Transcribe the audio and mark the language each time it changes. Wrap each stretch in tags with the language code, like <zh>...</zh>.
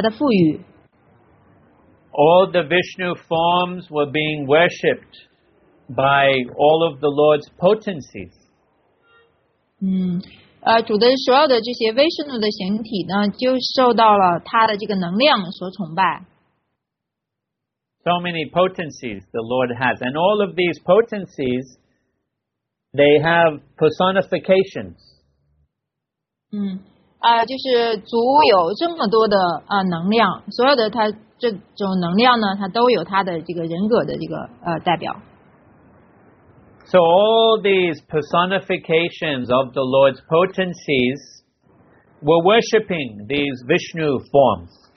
<zh>首先呢，就是主向他揭示，就是所有的这些牧牛童的这个牛犊，都是他的这个Vishnu的这个形象。主首先向他揭示了他的富裕。All</zh> <en>the Vishnu forms were being worshipped by all of the Lord's potencies.</en> <zh>主的所有的这些威士努的形体呢，就受到了他的这个能量所崇拜。So</zh> <en>many potencies the Lord has, and all of these potencies, they have personifications.</en> <zh>就是主有这么多的能量，所有的他这种能量呢，他都有他的这个人格的这个代表。</zh> <en>So all these personifications of the Lord's potencies were worshipping these Vishnu forms.</en>